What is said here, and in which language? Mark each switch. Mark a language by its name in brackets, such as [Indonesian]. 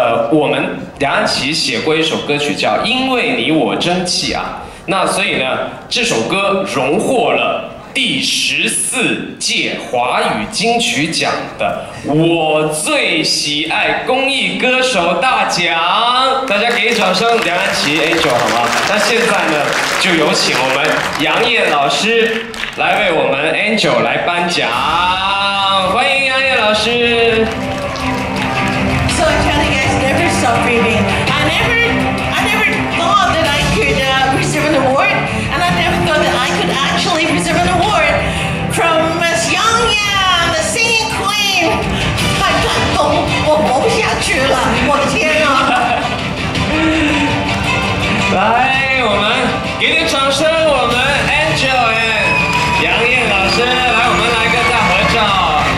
[Chinese] 我们梁安琪写过一首歌曲叫《因为你我争气》啊，那所以呢，这首歌荣获了第14届华语金曲奖的我最喜爱公益歌手大奖，大家给掌声，梁安琪 Angel 好吗？那现在呢，就有请我们杨燕老师来为我们 Angel 来颁奖，欢迎杨燕老师。 [English] So I'm telling you guys, never stop reading. I never thought that I could reserve an award, and I never thought that I could actually reserve an award from Miss Yang Yang, the singing queen. [Chinese] 太感动，我活不下去了，我的天啊！来，我们给点掌声，我们 Angel 哎，杨燕老师，来，我们来个大合照。